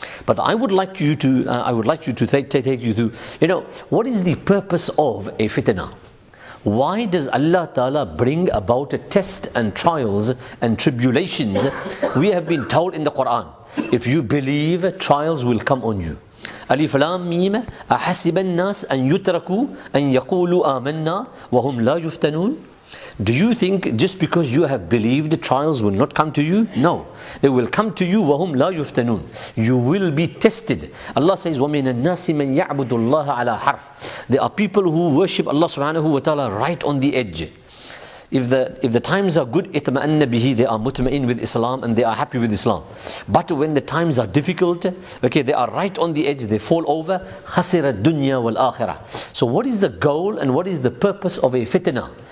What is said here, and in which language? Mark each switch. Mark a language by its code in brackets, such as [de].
[en] But I would like to take you through. You know, what is the purpose of a fitna? Why does Allah Ta'ala bring about a test and trials and tribulations? We have been told in the Quran, if you believe, trials will come on you. [ar] Alif Lam Mim, أحسب الناس أن يتركوا أن يقولوا آمنا وهم لا يفتنون. [en] Do you think just because you have believed, trials will not come to you? No, they will come to you. [ar] وهم لا يفتنون. [en] You will be tested. [ar] Allah says, ومن الناس من يعبد الله على حرف. [en] There are people who worship Allah Subhanahu wa Taala right on the edge. If the times are good, [ar] itma'anna bihi, [en] they are mutma'in with Islam and they are happy with Islam. But when the times are difficult, okay, they are right on the edge, they fall over. [ar] Khasira dunya wal akhirah. [en] So what is the goal and what is the purpose of a fitna?